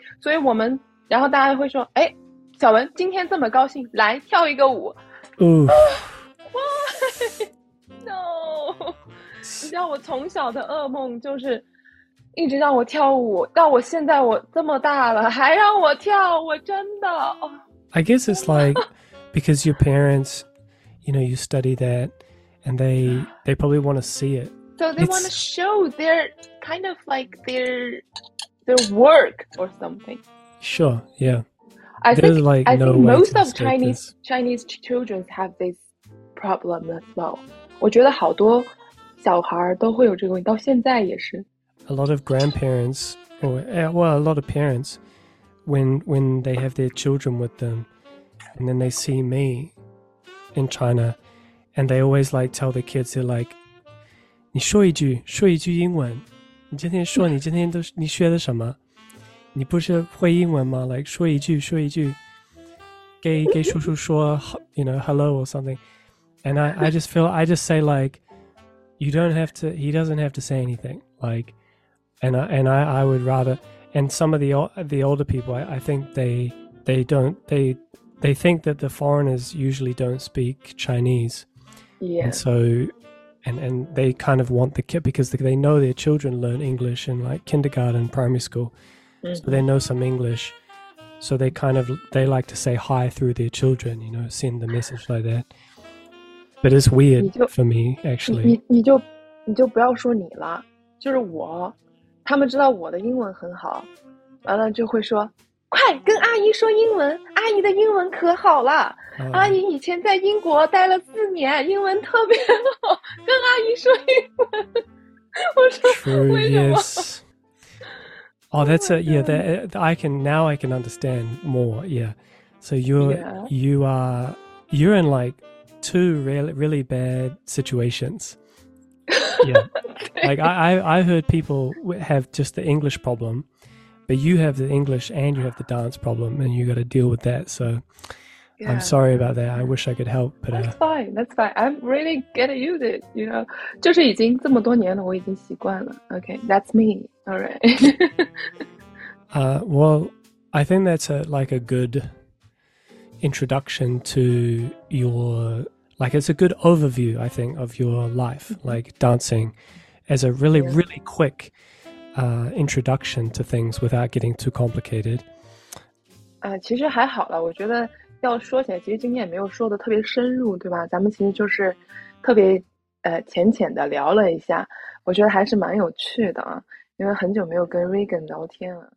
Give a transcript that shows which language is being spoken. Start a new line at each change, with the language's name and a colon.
Chinese: 所以我们，然后大家会说，哎，小雯今天这么高兴，来跳一个舞。嗯。
English: Why? No!
Chinese: 你知道我从小的噩梦就是一直让我跳舞，到我现在我这么大了还让我跳，我真的。
English: I guess it's like because your parents, you know, you study that and they probably want to see it. So they want to show their kind of like their work or something. Sure, yeah. Chinese children have this. Problem as well.
Chinese: 我觉得好多小孩都会有这个问题，到现在也是。
English: A lot of grandparents, a lot of parents, when they have their children with them, and then they see me in China, and they always like tell the kids, they're like,
Chinese: 你说一句，说一句英文。你今天说，你今天都你学的什么？你不是会英文吗？Like, 说一句，说一句，给叔叔说
English: you know, hello or something. And I just say like, you don't have to, he doesn't have to say anything. Like, and I would rather, and some of the older people, I think they don't, they think that the foreigners usually don't speak Chinese. Yeah. And so, and they kind of want the kid because they know their children learn English in like kindergarten, primary school. Mm-hmm. So they know some English. So they kind of, they like to say hi through their children, you know, send the message like that. But it's weird for me, actually.
Chinese: 你就不要说你了，就是我，他们知道我的英文很好，完了就会说，快跟阿姨说英文，阿姨的英文可好了，阿姨以前在英国待了四年，英文特别好，跟阿姨说英文。我说
English: True,
Chinese: 为什么
English: ？Oh, that's a yeah. That I can now I can understand more. Yeah. So you're in like. Two really, really bad situations. Yeah. Like I heard people have just the English problem, but you have the English and you have the dance problem and you got to deal with that. So yeah. I'm sorry about that. I wish I could help. But, That's fine. I'm really getting used to it. You know,
Chinese: 就是已经这么多年了，我已经习惯了。
English: Okay, that's me. All right. well, I think that's a good... introduction to your like it's a good overview I think of your life like dancing as a really really quick introduction to things without getting too complicated?
Chinese: 其实还好了，我觉得要说起来，其实今天也没有说的特别深入，对吧？咱们其实就是特别浅浅的聊了一下，我觉得还是蛮有趣的啊，因为很久没有跟 Regan 聊天了。